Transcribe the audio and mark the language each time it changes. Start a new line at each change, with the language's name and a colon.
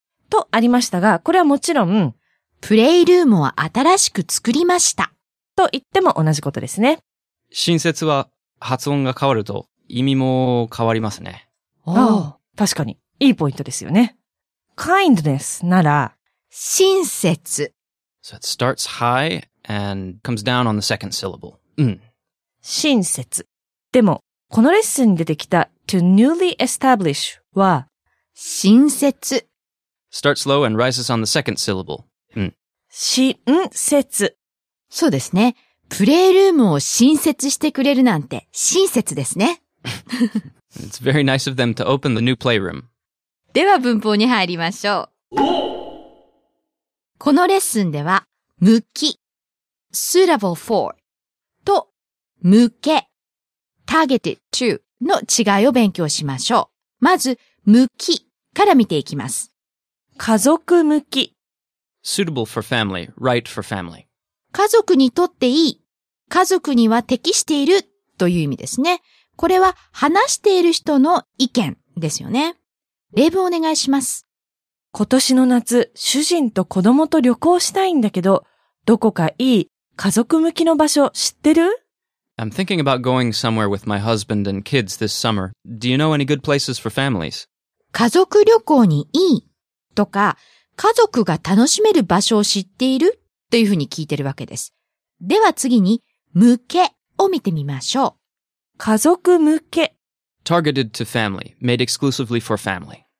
Japanese: とありましたが、これはもちろん、プレイルームを新しく作りました。と言っても同じことですね。新設は発音が変わると意味も変わりますね。ああ、確かに。いいポイントですよね。 kindness なら、親切。
English: So it starts high and comes down on the second syllable.
Japanese: うん。親切。でも、このレッスンに出てきた
English: to newly establish
Japanese: は、親切。
English: starts low and rises on the second syllable. うん。
Japanese: 親切。そうですね。プレイルームを新設してくれるなんて親切ですね。
English: It's very nice of them to open the new playroom.
Japanese: では文法に入りましょう。このレッスンでは、向き、
English: suitable for
Japanese: と、向け、
English: targeted to
Japanese: の違いを勉強しましょう。まず、向きから見ていきます。家族向き。
English: Suitable for family, right for family.
Japanese: 家族にとっていい、家族には適しているという意味ですね。これは話している人の意見ですよね。例文お願いします。今年の夏、主人と子供と旅行したいんだけど、どこかいい家族向きの場所知ってる？
English: I'm thinking about going somewhere with my husband and kids this summer. Do you know any good places for families?
Japanese: 家族旅行にいいとか、家族が楽しめる場所を知っているというふうに聞いてるわけです。では次に、向けを見てみましょう。家族向け。
English: Targeted to family, made exclusively for family.